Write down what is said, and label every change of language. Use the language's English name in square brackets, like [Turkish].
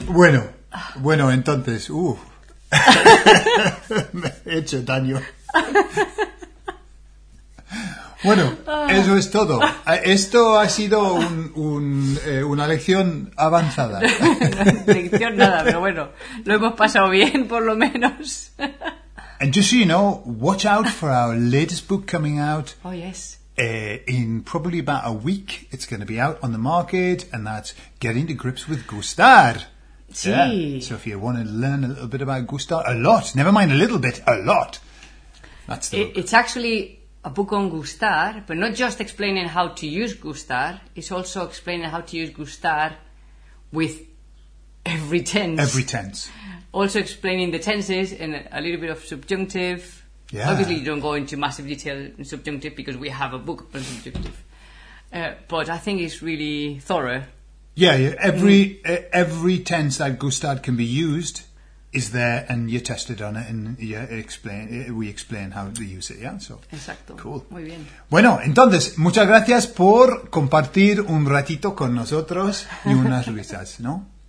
[Spanish] Bueno, entonces, me he hecho daño. Bueno, eso es todo. Esto ha sido una lección avanzada. Lección nada, pero bueno, lo hemos pasado bien, por lo menos. [English] And just so you know, watch out for our latest book coming out. Oh, yes. In probably about a week, it's going to be out on the market, and that's Getting to Grips with Gustar. [Spanish] Sí. [English] Yeah. So if you want to learn a little bit about Gustar, a lot, never mind a little bit, a lot. That's the book. It's actually... A book on Gustar, but not just explaining how to use Gustar, it's also explaining how to use Gustar with every tense. Every tense. Also explaining the tenses and a little bit of subjunctive, Yeah. Obviously, you don't go into massive detail in subjunctive because we have a book on subjunctive. But I think it's really thorough. Yeah, every every tense that Gustad can be used is there, and you tested on it, and you explain, we explain how to use it. Yeah, so [Spanish] exacto. [English] Cool. [Spanish] Muy bien. Bueno, entonces, muchas gracias por compartir un ratito con nosotros y unas risas, ¿no?